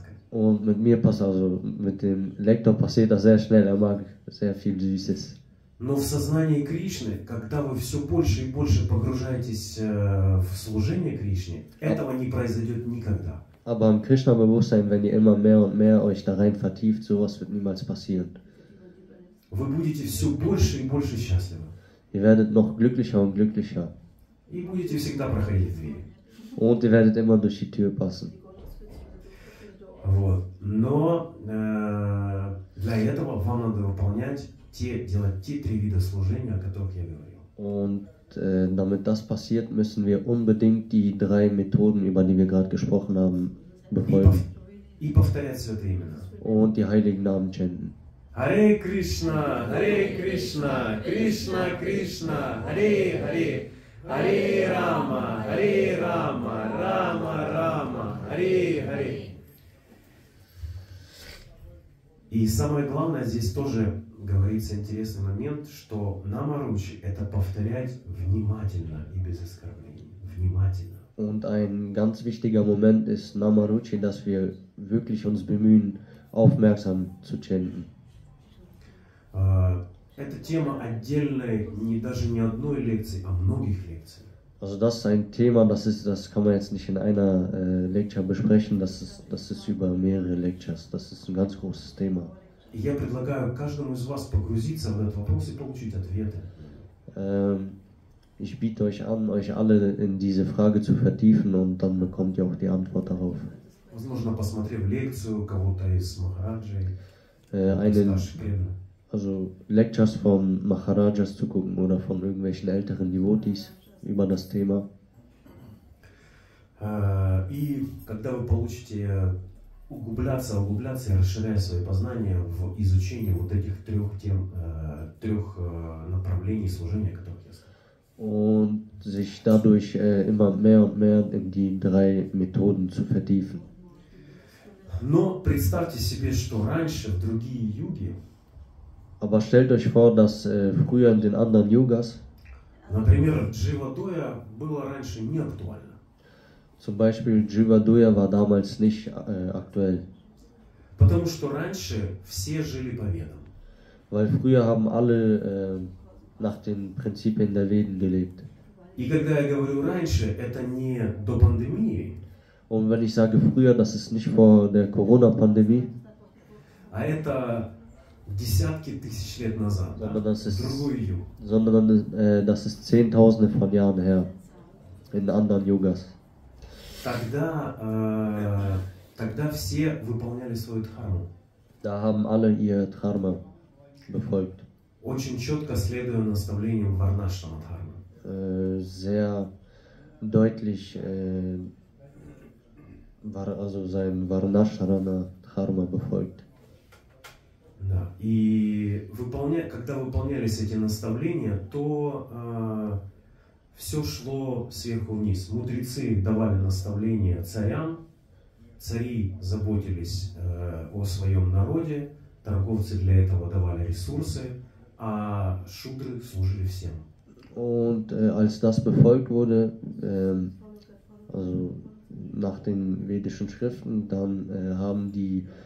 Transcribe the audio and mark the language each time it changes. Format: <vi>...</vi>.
<de>Und mit mir passt also, mit dem Lektor passiert das sehr schnell, er mag sehr viel Süßes.</de> <ru>Но в сознании Кришны, когда вы все больше и больше погружаетесь в служение Кришне, этого не произойдет никогда.</ru> <de>Aber im Krishna-Bewusstsein, wenn ihr immer mehr und mehr euch darin vertieft, sowas wird niemals passieren.</de> <ru>Вы будете все больше и больше счастливы.</ru> <de>Ihr werdet noch glücklicher und glücklicher.</de> <ru>И будете всегда проходить двери.</ru> <de>Und ihr werdet immer durch die Tür passen.</de> <ru>Вот. Но для этого вам надо выполнять Делать те три вида служения, о которых я говорил.</ru> <de>Und damit das passiert, müssen wir unbedingt die drei Methoden, über die wir gerade gesprochen haben, befolgen.</de> <ru>И повторять святые имена.</ru> <de>Und die heiligen Namen chanten.</de> <sa>Hare Krishna, Hare Krishna, Krishna Krishna, Hare Hare, Hare Rama, Hare Rama, Rama Rama, Hare Hare.</sa> <ru>И самое главное здесь тоже говорится интересный момент, что намаручи – это повторять внимательно и без оскорблений. Внимательно.</ru> <de>Und ein ganz wichtiger Moment ist намаручи, dass wir wirklich uns bemühen, aufmerksam zu chanten.</de> <ru>Это тема отдельной, не даже не одной лекции, а многих лекций.</ru> <de>Also das ist ein Thema, das kann man jetzt nicht in einer Lecture besprechen, das ist über mehrere Lectures, das ist ein ganz großes Thema.</de> <ru>Я предлагаю каждому из вас погрузиться в этот вопрос и получить ответы.</ru> <de>Ich biete euch an, euch alle in diese Frage zu vertiefen und dann bekommt ihr auch die Antwort darauf.</de> <ru>Возможно, посмотрев лекцию кого-то из Махараджи.</ru> <de>Also Lectures von Maharajas zu gucken oder von irgendwelchen älteren Devotees über das Thema.</de> <ru>И когда вы получите углубляться, расширяя свои познания в изучении вот этих трех тем, трех направлений служения, которых я сказал.</ru> <de>Und sich dadurch immer mehr und mehr in die drei Methoden zu vertiefen.</de> <ru>Но представьте себе, что раньше в другие юги.</ru> <de>Aber stellt euch vor, dass früher in den anderen Yogas.</de> <ru>Например, Дживадоя было раньше не актуально.</ru> <de>Zum Beispiel Jivadoya war damals nicht aktuell.</de> <ru>Потому что раньше все жили по Ведам.</ru> <de>Weil früher haben alle nach den Prinzipien der Veden gelebt.</de> <ru>И когда я говорю раньше, это не до пандемии.</ru> <de>Und wenn ich sage früher, das ist nicht vor der Corona-Pandemie.</de> <ru>А это десятки тысяч лет назад.</ru> <de>Sondern das ist,</de> <ru>другую.</ru> <de>Sondern das ist Zehntausende von Jahren her in anderen Yogas.</de> <ru>Тогда все выполняли свою дхарму.</ru> <de>Da haben alle ihr Dharma befolgt.</de> <ru>Очень четко следуя наставлениям Варнашрама Дхармы.</ru> <de>Sehr deutlich sein Варнашрама Дхарма befolgt.</de> <ru>Да. И когда выполнялись эти наставления, то все шло сверху вниз. Мудрецы давали наставления царям, цари заботились о своем народе, торговцы для этого давали ресурсы, а шудры служили всем.</ru> <de>Und als das befolgt wurde, also nach den vedischen Schriften, dann haben die</de>